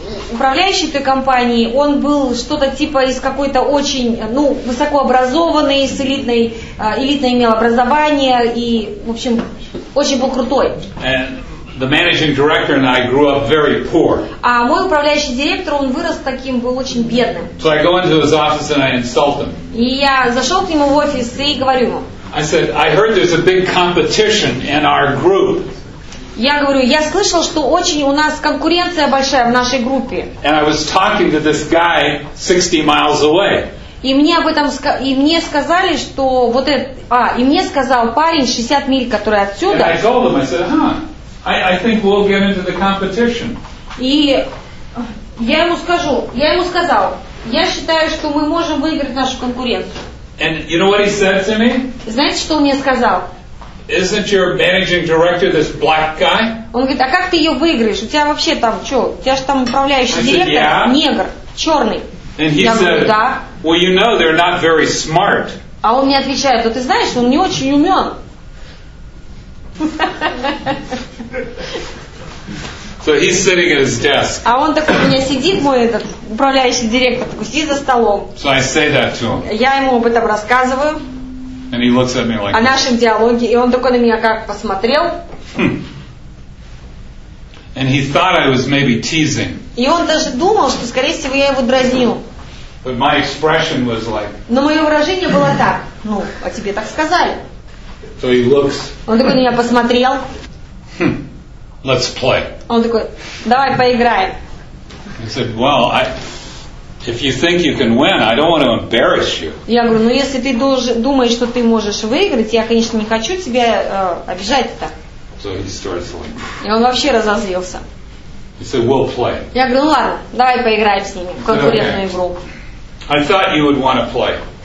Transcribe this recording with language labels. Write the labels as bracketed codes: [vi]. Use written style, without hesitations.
[ru] Управляющий этой компании, он был что-то типа из какой-то очень, ну, высокообразованный, с элитное имел образование и, в общем, очень был крутой. [en] And The managing director and I grew up very poor. [ru] А мой управляющий директор, он вырос таким, был очень бедным. [en] So I go into his office and I insult him. [ru] И я зашел к нему в офис и говорю ему. [en] I said, I heard there's a big competition in our group. [ru] Я говорю, я слышал, что очень у нас конкуренция большая в нашей группе. [en] And I was talking to this guy 60 miles away. [ru] И мне об этом и мне сказали, что вот этот, а, и мне сказал парень 60 миль, который отсюда. [en] And I told him, I said, I think we'll get into the competition. [ru] И я ему сказал, я считаю, что мы можем выиграть нашу конкуренцию. [en] And you know what he said to me? [ru] Знаете, что он мне сказал? [en] Isn't your managing director this black guy? [ru] Он говорит, а как ты ее выиграешь? У тебя вообще там что? У тебя же там управляющий директор, негр, черный. [en] And he said, well, you know, they're not very smart. [ru] А он мне отвечает, ты знаешь, он не очень умен. [en] So he's sitting at his desk. [ru] А он такой, у меня сидит мой этот управляющий директор, такой сидит за столом. [en] So I say that to him. [ru] Я ему об этом рассказываю. [en] And he looks at me like [ru] о нашем диалоге, и он такой на меня как посмотрел. [en] And he thought I was maybe teasing. [ru] И он даже думал, что, скорее всего, я его дразнил. [en] But my expression was like. [ru] Но мое выражение было так. Ну, а тебе так сказали. [en] So he looks. [ru] Он такой на меня посмотрел. [en] Let's play. [ru] Он такой, давай поиграем. [en] He said, well, if you think you can win, I don't want to embarrass you. [ru] Я говорю, ну если ты думаешь, что ты можешь выиграть, я, конечно, не хочу тебя обижать так. [en] So he starts like. [ru] И он вообще разозлился. [en] He said, we'll play. [ru] Я говорю, ну ладно, давай поиграем с ними в конкурентную игру. [en] I thought you would want to play.